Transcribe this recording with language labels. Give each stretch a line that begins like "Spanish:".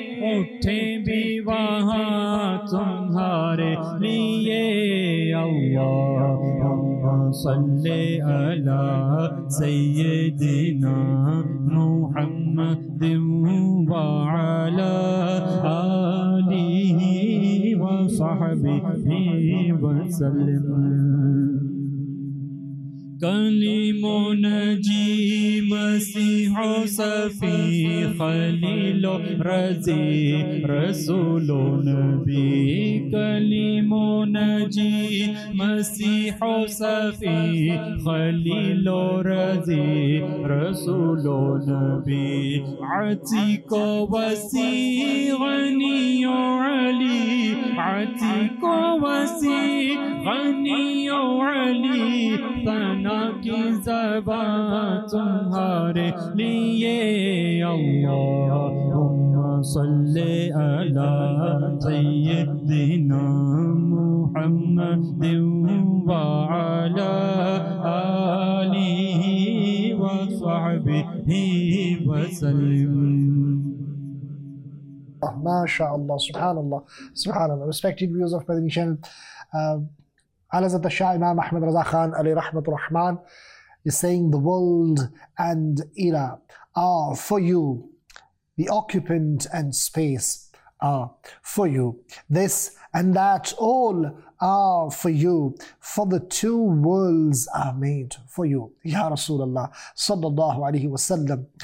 Urdu: اٹھے بھی وہاں تمہارے لیے،
Arabic: اللہم صلی علی سیدنا محمد وعلی آلہ وصحبہ وسلم.
Urdu: کلیم و نجی مسیح و صفی، خلیل و رضی رسول و نبی، کلیم و نجی مسیح و صفی، خلیل و رضی رسول و نبی، عتیق و وسیع غنی و علی، عتیق و وسیع غنی و علی، ثنا کی زبان تمہارے لیے،
Arabic: اللہم صلی علی سیدنا محمد وعلی آلہ وصحبہ وسلم. ما شاء اللہ، سبحان اللہ، سبحان اللہ.
English: Respected viewers of Madani Channel, Alazat al-Shah Imam Ahmed Raza Khan alayhi rahmat rahman is saying, the world and era are for you, the occupant and space are for you, this and that all are for you, for the two worlds are made for you,
Arabic: ya Rasulullah sallallahu alayhi wa sallam.